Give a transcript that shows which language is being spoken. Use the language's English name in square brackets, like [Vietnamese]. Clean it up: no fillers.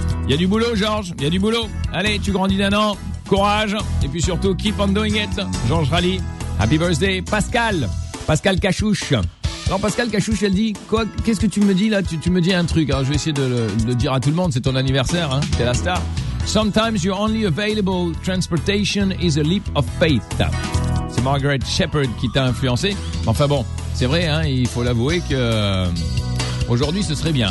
[French] Il y a du boulot Georges, il y a du boulot. Allez, tu grandis d'un an. Courage. Et puis surtout, [English] keep on doing it. [French] Georges Rally. [English] Happy birthday. [French] Pascal Cachouche. Alors Pascal Cachouche, elle dit quoi? Qu'est-ce que tu me dis là? Tu me dis un truc. Alors je vais essayer de le dire à tout le monde. C'est ton anniversaire, hein? T'es la star. [English] Sometimes your only available transportation is a leap of faith. [French] C'est Margaret Shepherd qui t'a influencé. Enfin bon, c'est vrai, hein, il faut l'avouer que aujourd'hui ce serait bien.